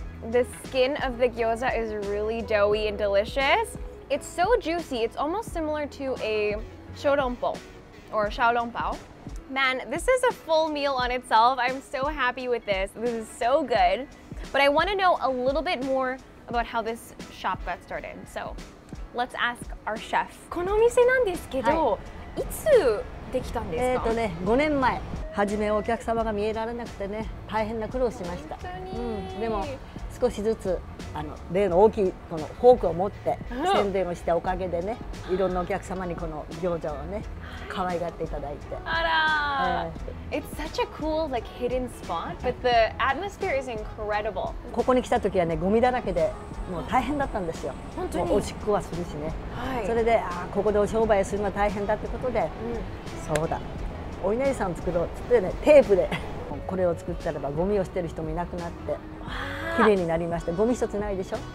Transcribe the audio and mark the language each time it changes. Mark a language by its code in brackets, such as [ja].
[en] The skin of the gyoza is really doughy and delicious. It's so juicy. It's almost similar to a shorompo or xiaolongbao. Man, this is a full meal on itself. I'm so happy with this. This is so good. But I want to know a little bit more about how this shop got started. So let's ask our chef. [ja] このお店なんですけど、いつできたんですか？ね、5年前。はじめお客様が見えられなくてね、大変な苦労しました。でも少しずつ例の大きいこのフォークを持って宣伝をしたおかげでね、いろんなお客様にこの餃子をね、可愛がっていただいて。 [en] あら、It's such a cool like hidden spot, but the atmosphere is incredible. [ja] ここに来た時はね、ゴミだらけでもう大変だったんですよ。本当に。おしっこはするしね。それでここでお商売するのは大変だってことで、そうだ。お稲荷さん作ろうって言ってね、テープでこれを作ったらばゴミを捨てる人もいなくなって綺麗になりました。ゴミ一つないでしょ。